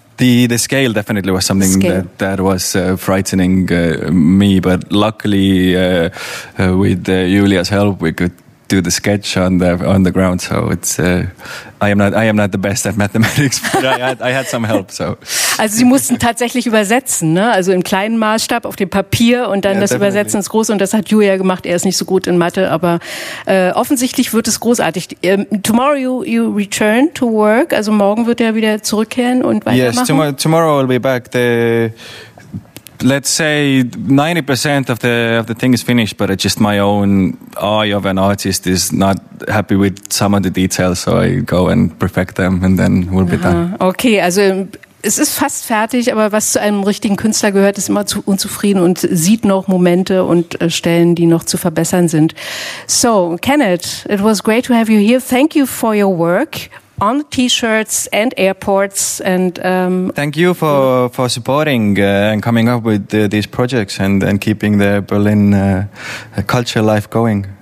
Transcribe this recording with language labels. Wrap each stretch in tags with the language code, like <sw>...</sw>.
<en>The scale definitely was something that was frightening me, but luckily with Julia's help we could do the sketch on the ground. So it's I am not the best at mathematics, but I had some help. So</en> <de>also sie mussten tatsächlich übersetzen, ne? Also im kleinen Maßstab auf dem Papier und dann Übersetzen ins Große, und das hat Julia gemacht. Er ist nicht so gut in Mathe, aber offensichtlich wird es großartig.</de> <en>Tomorrow you return to work.</en> <de>Also morgen wird er wieder zurückkehren und weitermachen.</de> <en>Yes, tomorrow I'll be back. Let's say 90% of the thing is finished, but it's just my own eye of an artist is not happy with some of the details, so I go and perfect them and then we'll be done.</en> <de>Okay, also es ist fast fertig, aber was zu einem richtigen Künstler gehört, ist immer zu unzufrieden und sieht noch Momente und Stellen, die noch zu verbessern sind.</de> <en>So, Kenneth, it was great to have you here. Thank you for your work on T-shirts and airports, and thank you for supporting and coming up with these projects and keeping the Berlin culture life going.</en>